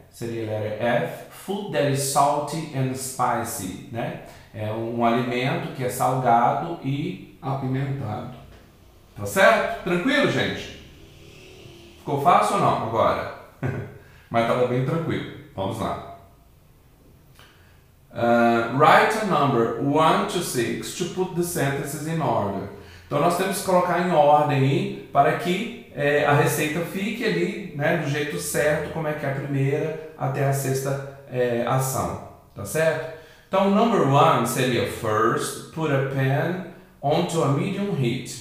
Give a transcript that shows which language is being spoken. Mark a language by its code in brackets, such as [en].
[pt] Seria a letra F, [en] food that is salty and spicy, [pt] né? É um alimento que é salgado e apimentado. Tá certo? Tranquilo, gente? Ficou fácil ou não agora? Mas tava bem tranquilo. Vamos lá. [en] Write a number 1 to 6 to put the sentences in order. [pt] Então nós temos que colocar em ordem aí para que a receita fique ali, né, do jeito certo, como é que é a primeira até a sexta ação, tá certo? Então [en] number 1 seria first, put a pan onto a medium heat.